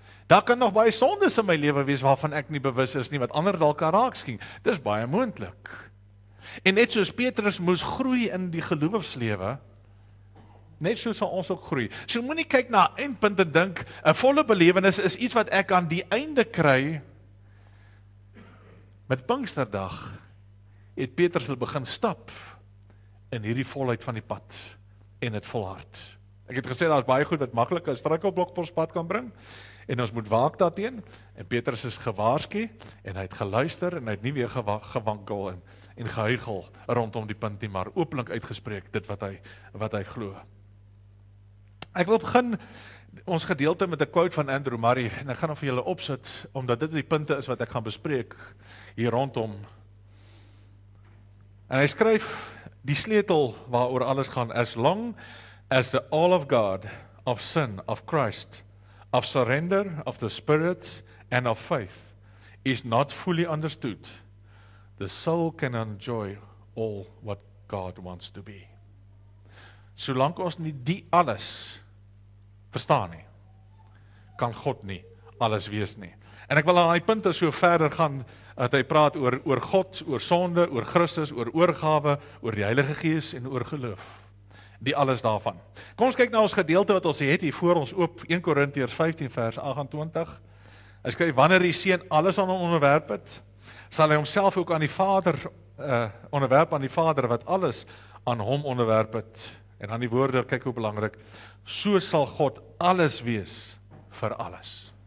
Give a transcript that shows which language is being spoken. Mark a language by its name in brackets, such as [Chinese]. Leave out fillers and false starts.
[Afrikaans] Daar kan nog baie sondes in my lewe wees waarvan ek nie bewus is nie, wat ander dalk kan raakskien. Dis baie moontlik. En net soos Petrus moes groei in die geloofslewe, net so sal ons ook groei. So moenie kyk na eindpunt en dink, 'n volle belewenis is iets wat ek aan die einde kry. Met Pinksterdag het Petrus al begin stap in hierdie volheid van die pad en het volhard. Ek het gesê, daar is baie goed wat makkelijk een struikelblok op ons pad kan bring, en ons moet waak daarteen, en Petrus is gewaarsku, en hy het geluister, en hy het nie weer gewankel en gehuigel rondom die punt nie, maar openlik uitgespreek, dit wat hy glo. Ek wil begin ons gedeelte met 'n quote van Andrew Murray, en ek gaan hom vir julle opsit, omdat dit die punte is wat ek gaan bespreek hier rondom. En hy skryf die sleutel waaroor alles gaan, [English] as long as the all of God, of sin, of Christ, of surrender, of the Spirit, and of faith, is not fully understood, the soul can enjoy all what God wants to be. [Afrikaans] Solank ons nie die alles verstaan nie, kan God nie alles wees nie. En ek wil aan die punt so verder gaan, dat hy praat oor God, oor sonde, oor Christus, oor oorgawe, oor die Heilige Gees en oor geloof. Die alles daarvan. Kom ons kyk na ons gedeelte wat ons het hier voor ons oop, 1 Korintiërs 15 vers 28. Hy skryf, wanneer die Seun alles aan hom onderwerp het, sal hy homself ook aan die Vader onderwerp aan die Vader wat alles aan hom onderwerp het. En aan die woorde, kyk hoe belangrik, so sal God alles wees vir alles.